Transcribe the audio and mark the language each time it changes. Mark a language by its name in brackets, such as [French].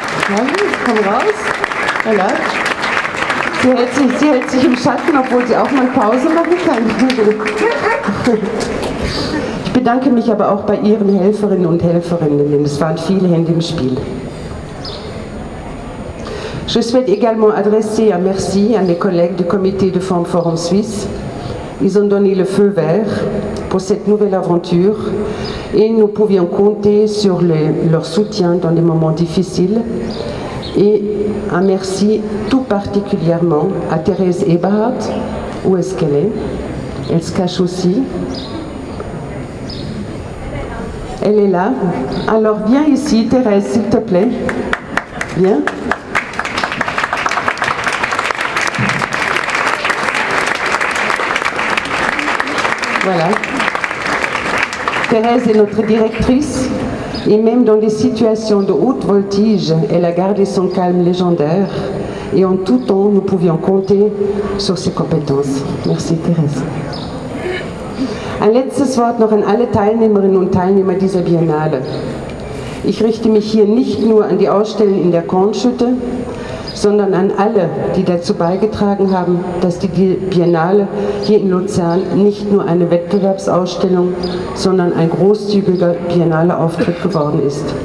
[German] Nein, komm raus. Sie hält sich im Schatten, obwohl sie auch mal Pause machen kann. Ich bedanke mich aber auch bei Ihren Helferinnen und Helferinnen, denn es waren viele Hände im Spiel. [French] Je souhaite également adresser un merci à mes collègues du Comité de Form Forum Suisse. Ils ont donné le feu vert pour cette nouvelle aventure et nous pouvions compter sur leur soutien dans des moments difficiles. Et un merci tout particulièrement à Thérèse Eberhardt. Où est-ce qu'elle est ? Elle se cache aussi. Elle est là. Alors viens ici, Thérèse, s'il te plaît. Viens. Voilà. Thérèse est notre directrice et même dans des situations de haute voltige, elle a gardé son calme légendaire et en tout temps, nous pouvions compter sur ses compétences. Merci Thérèse. [German] Ein letztes Wort noch an alle Teilnehmerinnen und Teilnehmer dieser Biennale. Ich richte mich hier nicht nur an die Ausstellung in der Kornschütte, sondern an alle, die dazu beigetragen haben, dass die Biennale hier in Luzern nicht nur eine Wettbewerbsausstellung, sondern ein großzügiger Biennale-Auftritt geworden ist.